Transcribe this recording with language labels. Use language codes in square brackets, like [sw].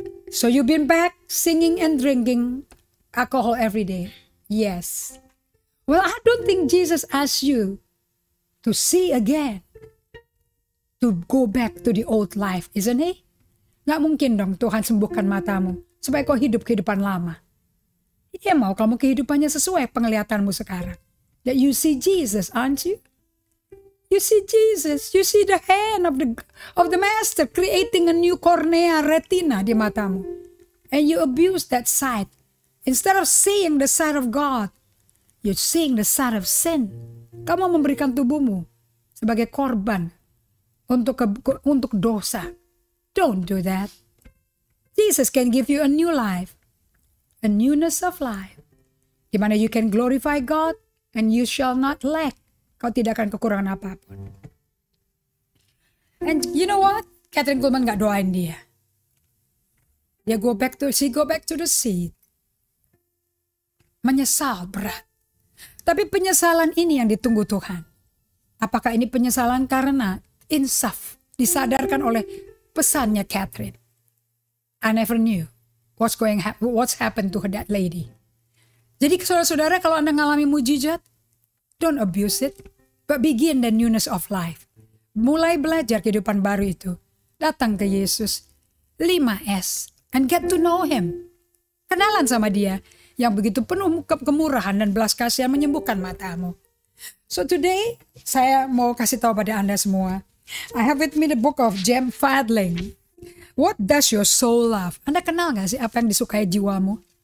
[en] So you've been back singing and drinking alcohol every day? Yes. Well, I don't think Jesus asked you to see again, to go back to the old life, isn't he? [id] Gak mungkin dong Tuhan sembuhkan matamu supaya kau hidup kehidupan lama. Dia mau kamu kehidupannya sesuai penglihatanmu sekarang. [en] That you see Jesus, aren't you? You see Jesus. You see the hand of the master creating a new cornea retina [id] di matamu. [en] And you abuse that sight. Instead of seeing the sight of God, you're seeing the sight of sin. [id] Kamu memberikan tubuhmu sebagai korban untuk dosa. [en] Don't do that. Jesus can give you a new life. A newness of life. [id] Di mana [en] you can glorify God and you shall not lack. [id] Kau tidak akan kekurangan apapun. [en] And you know what? Catherine Kuhlman [id] gak doain dia. Dia [en] go back to the seat. [id] Menyesal berat. Tapi penyesalan ini yang ditunggu Tuhan. Apakah ini penyesalan karena insaf disadarkan oleh pesannya Catherine? [en] I never knew what's happened to that lady. [id] Jadi saudara-saudara, kalau Anda mengalami mujizat, [en] don't abuse it, but begin the newness of life. [id] Mulai belajar kehidupan baru itu. Datang ke Yesus, 5S, [en] and get to know him. [id] Kenalan sama dia yang begitu penuh kemurahan dan belas kasihan menyembuhkan matamu. [en] So today, [id] saya mau kasih tahu pada Anda semua, [en] I have with me the book of Jim Fadling. What does your soul love? [id] Anda kenal gak sih apa yang disukai jiwamu?